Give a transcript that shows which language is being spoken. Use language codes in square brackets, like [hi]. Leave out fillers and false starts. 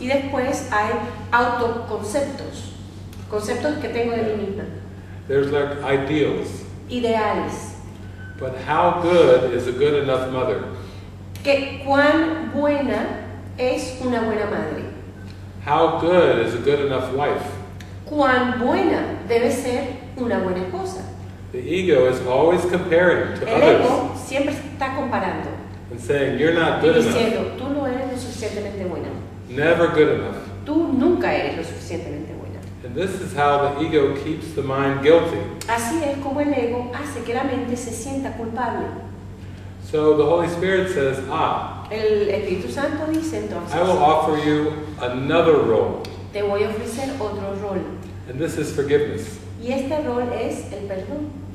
[es] Y después hay autoconceptos, conceptos que tengo de mí misma. [en] There's like ideals. [es] Ideales. [en] But how good is a good enough mother? [es] ¿Qué cuán buena es una buena madre? [en] How good is a good enough wife? [es] ¿Cuán buena debe ser una buena esposa? [en] The ego is always comparing to others. [es] El ego siempre está comparando. [en] And saying, you're not good enough. [es] Y diciendo, [en] enough. [es] Tú no eres lo suficientemente buena. [en] Never good enough. [es] Tú nunca eres lo suficientemente buena. [en] And this is how the ego keeps the mind guilty. [es] Así es como el ego hace que la mente se sienta culpable. [en] So the Holy Spirit says, ah. [es] El Espíritu Santo dice entonces. [en] I will offer you another role. [es] Te voy a ofrecer otro rol. [en] And this is forgiveness. [es] Y este rol es el perdón.